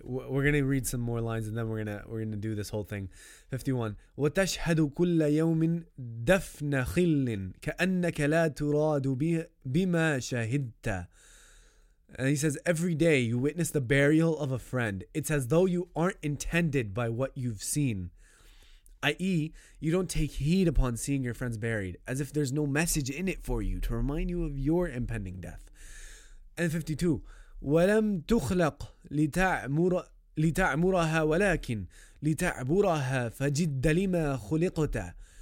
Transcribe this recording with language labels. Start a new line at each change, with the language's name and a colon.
English: We're gonna read some more lines, and then we're gonna do this whole thing. 51.
Arabic: وتشهد كل يوم دفن خل كأنك لا تراد بما شهدت.
English: And he says, every day you witness the burial of a friend. It's as though you aren't intended by what you've seen. I.e., you don't take heed upon seeing your friends buried, as if there's no message in it for you to remind you of your impending death. And 52.
Arabic: وَلَمْ تُخْلَقْ لِتَعْمُرَهَا وَلَكِنْ لِتَعْبُرَهَا فَجِدَّ لِمَا خُلِقْتَ.